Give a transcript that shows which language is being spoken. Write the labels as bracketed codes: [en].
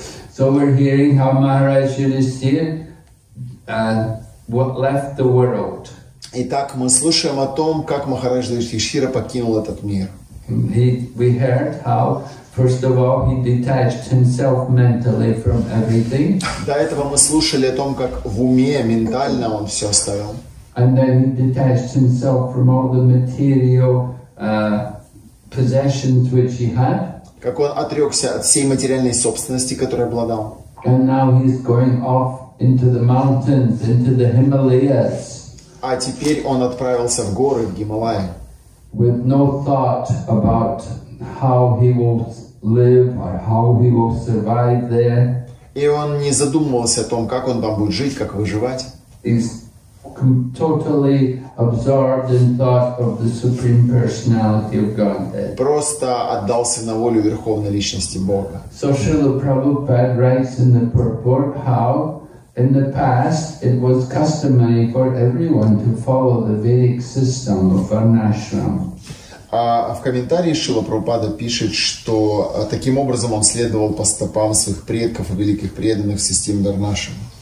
[en] So we're hearing how Maharaj Yudhisthira what left the world. [ru] Итак, мы слушаем о том, как Махараджа Юдхиштхира покинул этот мир. [en] We heard how, first of all, he detached himself mentally from everything. [ru] До этого мы слушали о том, как в уме, ментально он все оставил. [en] And then he detached himself from all the material possessions which he had. [ru] Как он отрекся от всей материальной собственности, которой обладал. [en] And now he's going off into the mountains, into the Himalayas. [ru] А теперь он отправился в горы, в Гималаи. [en] With no thought about how he will live or how he will survive there. [ru] И он не задумывался о том, как он там будет жить, как выживать. [en] He's totally absorbed in thought of the Supreme Personality of Godhead. [ru] Просто отдался на волю Верховной Личности Бога. [en] So Srila Prabhupada writes in the purport how in the past, it was customary for everyone to follow the Vedic system of Varnashram. [ru] В комментарии Шрила Прабхупада пишет, что таким образом он следовал по стопам своих предков и великих преданных в системе Варнашрам.